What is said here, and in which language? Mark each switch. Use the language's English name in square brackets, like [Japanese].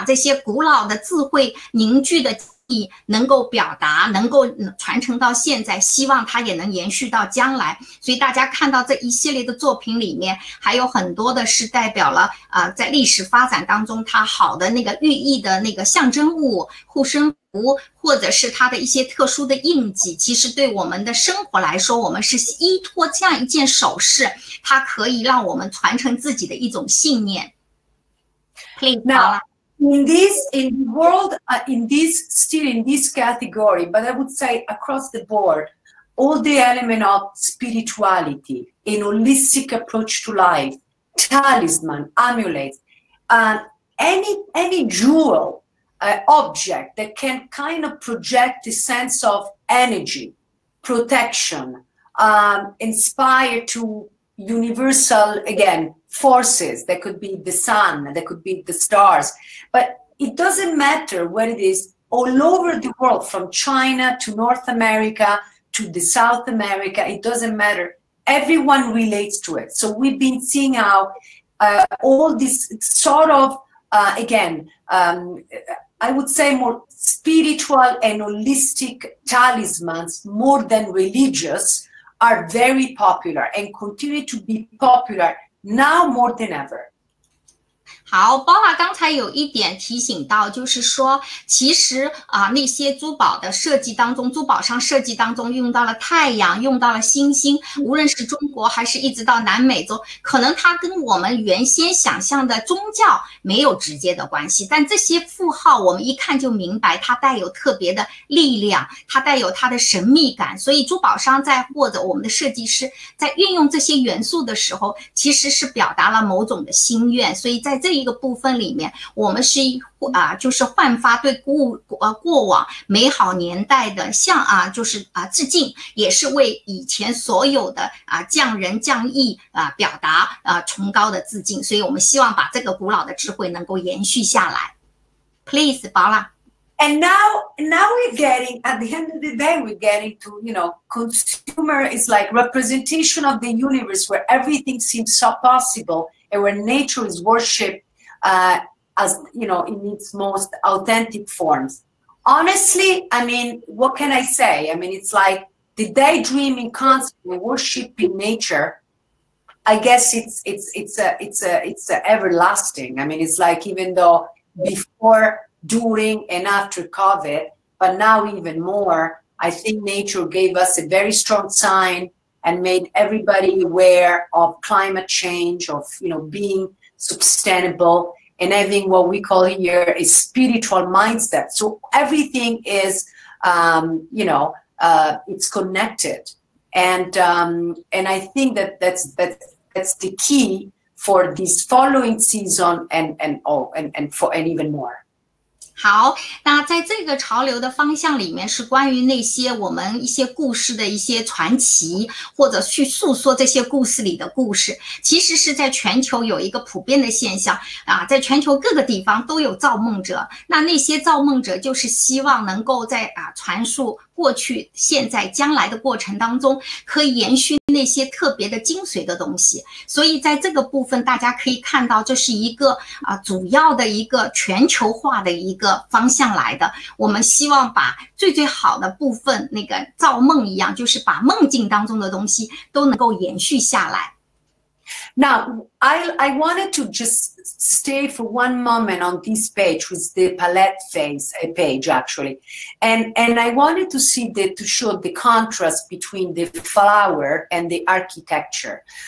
[Chinese] 就是在这个部分历史感的珠宝变得非常的重要，大家可以看到古币的产品的现象，还有就是雕刻的珠宝，这一些都是古老的技能或者说技艺吧，工匠的技艺，所以现在我们愿意去复兴，愿意去传承，把这些古老的智慧凝聚的 能够表达，能够传承到现在，希望它也能延续到将来。所以大家看到这一系列的作品里面，还有很多的是代表了在历史发展当中它好的那个寓意的那个象征物，护身符，或者是它的一些特殊的印记。其实对我们的生活来说，我们是依托这样一件首饰，它可以让我们传承自己的一种信念。 [English] Please, Paola. In this category, but I would say across the board, all the element of spirituality, a holistic approach to life, talisman, amulets, any jewel, object that can kind of project a sense of energy, protection, inspire to universal, again, forces that could be the sun, that could be the stars, but it doesn't matter where it is, all over the world, from China to North America to the South America, it doesn't matter, everyone relates to it. So we've been seeing how all this sort of I would say more spiritual and holistic talismans, more than religious, are very popular and continue to be popular now more than ever. [Chinese] 好， Paola 刚才有一点提醒到，就是说，其实那些珠宝的设计当中，珠宝商设计当中用到了太阳，用到了星星，无论是中国还是一直到南美洲，可能它跟我们原先想象的宗教没有直接的关系，但这些符号我们一看就明白，它带有特别的力量，它带有它的神秘感，所以珠宝商在或者我们的设计师在运用这些元素的时候，其实是表达了某种的心愿，所以在这一 一个部分里面，我们是焕发对过往美好年代的致敬，也是为以前所有的匠人匠艺表达崇高的致敬，所以我们希望把这个古老的智慧能够延续下来。 [English] Please, Paola. And now we're getting, at the end of the day, we're getting to, you know, consumer is like representation of the universe where everything seems so possible and where nature is worshipped as, you know, in its most authentic forms. Honestly, I mean, what can I say? I mean, it's like the daydreaming concept of worshiping nature, I guess it's everlasting. I mean, it's like even though before, during, and after COVID, but now even more, I think nature gave us a very strong sign and made everybody aware of climate change, of, you know, being sustainable, and having what we call here a spiritual mindset. So everything is, it's connected. And I think that that's the key for this following season and even more. [Chinese] 好，那在这个潮流的方向里面，是关于那些我们一些故事的一些传奇，或者去诉说这些故事里的故事。其实是在全球有一个普遍的现象啊，在全球各个地方都有造梦者。那那些造梦者就是希望能够在传述 过去、现在、将来的过程当中，可以延续那些特别的精髓的东西。所以在这个部分，大家可以看到，这是一个主要的一个全球化的一个方向来的。我们希望把最最好的部分，那个造梦一样，就是把梦境当中的东西都能够延续下来。 [English] Now, I wanted to just stay for one moment on this page with the palette phase, a page actually. And I wanted to see that, to show the contrast between the flower and the architecture.